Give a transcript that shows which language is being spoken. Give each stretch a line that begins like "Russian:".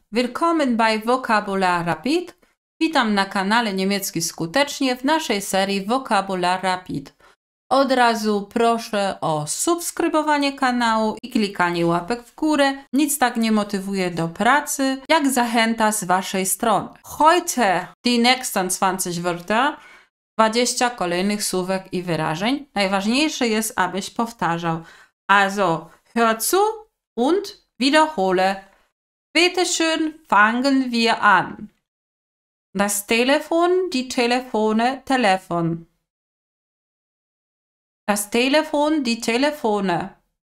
German: Willkommen bei Vokabular Rapid.
Polish: Witam na kanale Niemiecki Skutecznie w naszej serii Vokabular Rapid. Od razu proszę o subskrybowanie kanału i klikanie łapek w górę. Nic tak nie motywuje do pracy, jak zachęta z waszej strony.
German: Heute die nächsten 20 Wörter,
Polish: 20 kolejnych słówek i wyrażeń. Najważniejsze jest, abyś powtarzał.
German: Also, hör zu! Und wiederhole. Bitte schön, fangen wir an. Das Telefon, die Telefone, Telefon. Das Telefon, die Telefone.